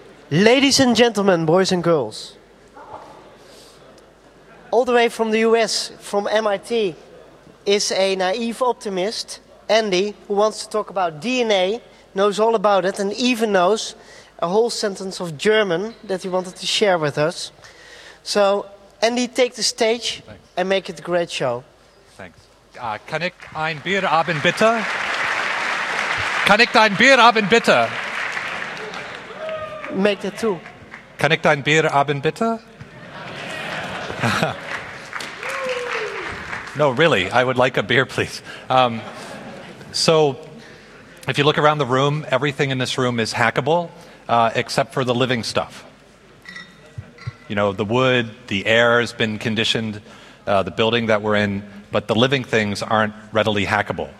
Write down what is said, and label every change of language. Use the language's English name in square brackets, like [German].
[English] Ladies and gentlemen, boys and girls, all the way from the US, from MIT, is a naive optimist, Andy, who wants to talk about DNA, knows all about it, and even knows a whole sentence of German that he wanted to share with us. So, Andy, take the stage. Thanks. And make it a great show. Thanks. [German] Kann ich ein Bier haben, bitte? Kann ich dein Bier haben, bitte? [English] Make that too. [German] Kann ich dein Bier haben, bitte? [English] No, really, I would like a beer, please. So, if you look around the room, everything in this room is hackable, except for the living stuff. You know, the wood, the air has been conditioned, the building that we're in, but the living things aren't readily hackable.